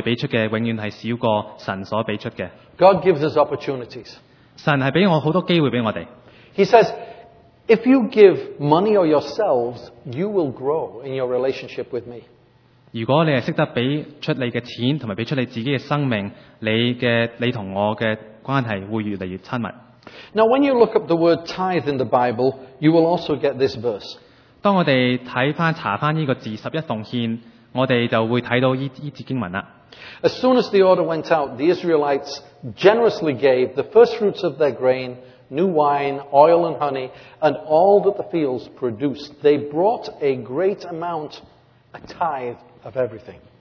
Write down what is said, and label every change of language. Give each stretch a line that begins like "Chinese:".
Chinese: 我們要懂得怎樣自然去給出去的,因為我們知道給出給人是一件好的事,而且我們給出的永遠是少過神所給出的。
English: God gives us opportunities.
Chinese: 神是給我很多機會給我們。
English: He says, if you give money or yourselves, you will grow in your relationship with me.
Chinese: 如果你懂得給出你的錢和給出你自己的生命,你和我的關係會越來越親密。
English: Now when you look up the word tithe in the Bible, you will also get this verse.
Chinese: 當我們查回這個字,十一奉獻,我們就會看到這節經文了。
English: As soon as the order went out, the Israelites generously gave the first fruits of their grain, new wine, oil and honey, and all that the fields produced. They brought a great amount, a tithe of everything.